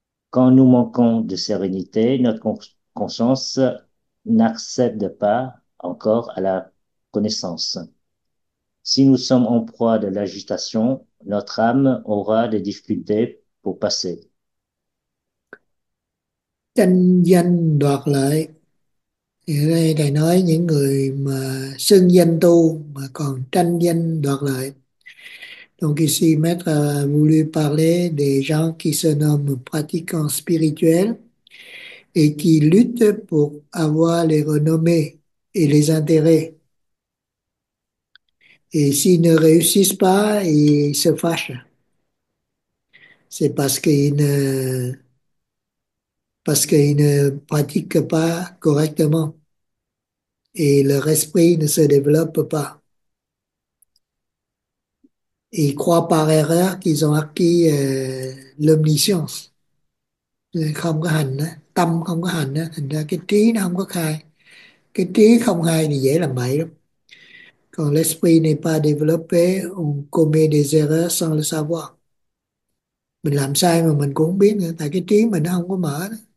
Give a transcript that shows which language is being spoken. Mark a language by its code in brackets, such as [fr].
[fr] Quand nous manquons de sérénité, notre conscience n'accède pas encore à la connaissance. Si nous sommes en proie de l'agitation, notre âme aura des difficultés pour passer. [vi] Tranh danh đoạt lợi, hiện nay thầy nói những người mà xưng danh tu mà còn tranh danh đoạt lợi. [fr] Donc ici maître voulu parler des gens qui se nomment pratiquants spirituels et qui luttent pour avoir les renommées et les intérêts. Et s'ils ne réussissent pas, ils se fâchent. C'est parce qu'ils ne parce qu'ils ne pratiquent pas correctement et leur esprit ne se développe pas. Ils croient par erreur qu'ils ont acquis l'omniscience. [vi] Không có hành, tâm không có hành, thành ra cái trí nó không có khai. Cái trí không khai thì dễ làm bậy lắm. Còn [fr] l'esprit n'est pas développé, on commet des erreurs sans le savoir. [vi] Mình làm sai mà mình cũng không biết nữa, tại cái trí mình nó không có mở đó.